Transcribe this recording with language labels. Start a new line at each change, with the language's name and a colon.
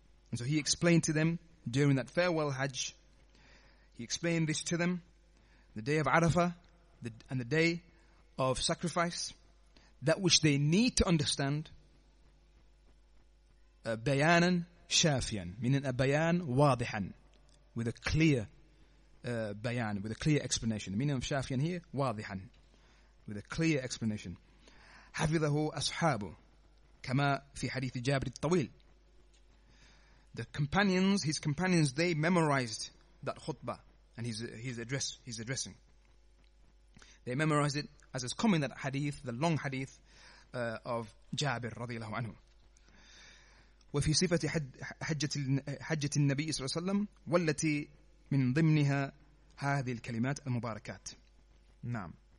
English: And so he explained to them during that farewell Hajj, he explained this to them, the day of Arafah and the day of sacrifice, that which they need to understand,
Arabic: بَيَانًا شَافِيًا,
English: meaning a
Arabic: bayan wadihan,
English: with a clear bayan, with a clear explanation. The meaning of shafian here, wadihan, with a clear explanation.
Arabic: حَفِظَهُ أَصْحَابُ كَمَا فِي حَدِيثِ جَابْرِ الطَّوِيلِ.
English: The companions, his companions, they memorized that khutbah and his addressing. They memorized it as is coming that hadith, the long hadith of Jabir radiallahu anhu.
Arabic: وَفِي صِفَةِ حَجَّةِ النَّبِيِّ صَلَّى اللَّهُ عَلَيْهِ وَسَلَّمَ وَالَّتِي مِنْ ضِمْنِهَا هَذِي الْكَلِمَاتِ الْمُبَارَكَاتِ. نعم.